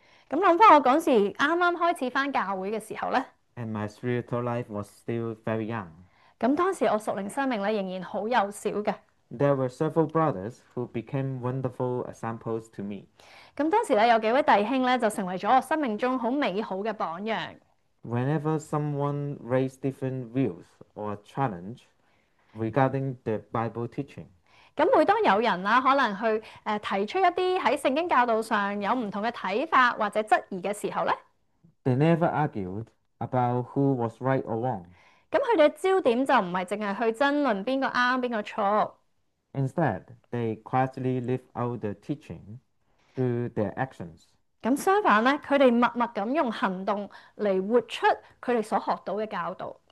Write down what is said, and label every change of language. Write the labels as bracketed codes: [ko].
[yue] 咁谂翻我嗰时啱啱开始翻教会嘅时候咧， [en] and my spiritual life was still very young, [yue] 咁当时我属灵生命咧仍然好幼小嘅。 [en] there were several brothers who became wonderful examples to me. [yue] 咁当时咧有几位弟兄咧就成为咗我生命中好美好嘅榜样。 [en] Whenever someone raised different views or challenge regarding the Bible teaching, [yue] 咁每当有人啦，可能去提出一啲喺圣经教导上有唔同嘅睇法或者质疑嘅时候咧， [en] They never argued about who was right or wrong. [yue] 咁佢哋嘅焦点就唔系净系去争论边个啱边个错， [en] Instead, they quietly live out the teaching through their actions. [yue] 咁相反咧，佢哋默默咁用行动嚟活出佢哋所学到嘅教导。